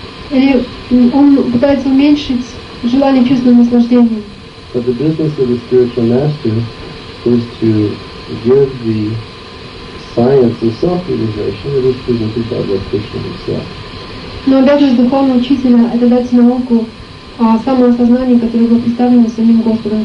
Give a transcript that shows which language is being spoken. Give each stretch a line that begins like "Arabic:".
Russian: Или он пытается уменьшить желание чувственного наслаждения.
English: But the business of the spiritual master is to give the science of self-realization that is presented by Lord Krishna himself.
Russian: Но обязанность духовного учителя — это дать науку самоосознание, которое было представлено самим Господом